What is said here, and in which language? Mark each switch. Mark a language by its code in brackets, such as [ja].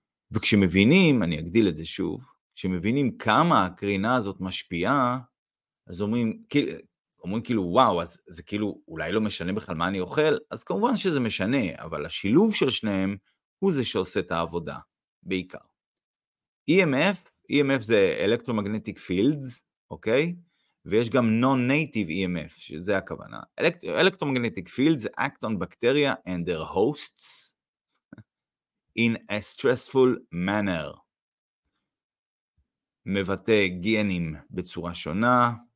[he] וכשמבינים, אני אגדיל את זה שוב, שמבינים כמה הקרינה הזאת משפיעה, אז אומרים, אומרים כאילו, וואו, אז זה כאילו, אולי לא משנה בכלל מה אני אוכל, אז כמובן שזה משנה, אבל השילוב של שניהם הוא זה שעושה את העבודה, בעיקר. [en] EMF, EMF זה electromagnetic fields, אוקיי? [he] ויש גם non-native EMF, שזה הכוונה. [en] Electromagnetic fields act on bacteria and their hosts in a stressful manner. [he] מבטא גנים בצורה שונה.